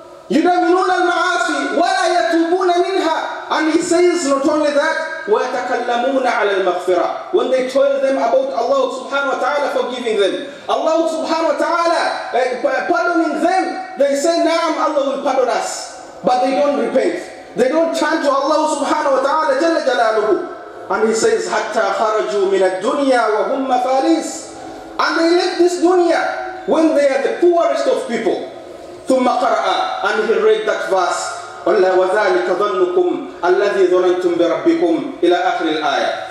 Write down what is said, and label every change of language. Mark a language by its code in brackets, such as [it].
[ar] يدمرون المعاصي ولا يتوبون منها. [en] And he says not only that, [ar] ويتكلمون على المغفرة. [en] When they told them about Allah subhanahu wa ta'ala forgiving them, Allah subhanahu wa ta'ala pardoning them, they say, نعم, Allah will pardon us. But they don't repent. They don't turn to Allah subhanahu wa ta'ala jalla jalaluhu. And he says, [ar] حتى خرجوا من الدنيا وهم مفاليس. [en] And they left this dunya when they are the poorest of people. [ar] ثم قرأ, [en] and he read that verse. [ar] قال وذلك ظنكم الذي ظننتم بربكم الى اخر الايه.